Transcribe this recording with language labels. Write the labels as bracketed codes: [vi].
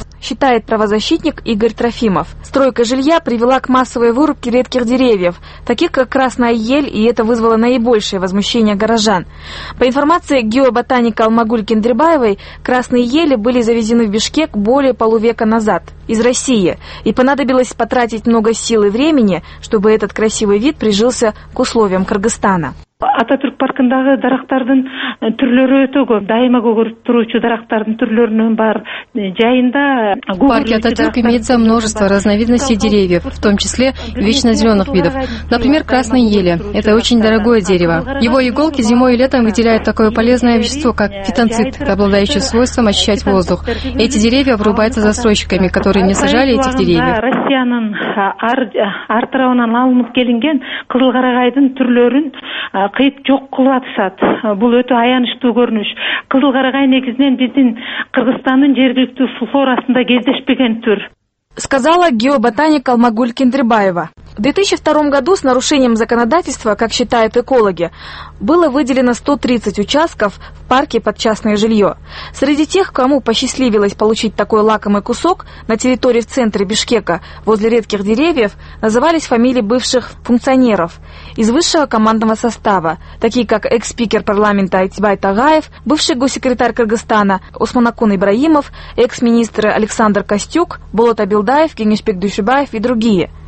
[ru] Считает правозащитник Игорь Трофимов. Стройка жилья привела к массовой вырубке редких деревьев, таких как красная ель, и это вызвало наибольшее возмущение горожан. По информации геоботаника Алмагуль Кендербаевой, красные ели были завезены в Бишкек более полувека назад, из России, и понадобилось потратить много сил и времени, чтобы этот красивый вид прижился к условиям Кыргызстана. [ky] Ататюрк паркындагы дарактардын түрлөрү өтө көп. Дайыма көгөрүп туруучу дарактардын түрлөрүнүн бар жайында. [ru] В парке Ататюрк имеется множество разновидностей деревьев, в том числе вечно зеленых видов. Например, красные ели. Это очень дорогое дерево. Его иголки зимой и летом выделяют такое полезное вещество, как фитонцид, обладающий свойством очищать воздух. Эти деревья врубаются застройщиками, которые не сажали этих деревьев. [ky] Россиянын ар тарабынан алынып келинген кызыл карагайдын түрлөрүн кыйып жок кылып атышат. Бул өтө аянычтуу көрүнүш. Кызыл карагай негизинен биздин Кыргызстандын жергиликтүү флорасында кездешпеген түр. [ru] Сказала геоботаник Алмагуль Кендербаева. В 2002 году с нарушением законодательства, как считают экологи, было выделено 130 участков в парке под частное жилье. Среди тех, кому посчастливилось получить такой лакомый кусок на территории в центре Бишкека, возле редких деревьев, назывались фамилии бывших функционеров из высшего командного состава, такие как экс-спикер парламента Айтибай Тагаев, бывший госсекретарь Кыргызстана Усманакон Ибраимов, экс-министр Александр Костюк, Болот Абилдаев, Кеңешбек Дүйшөбаев и другие.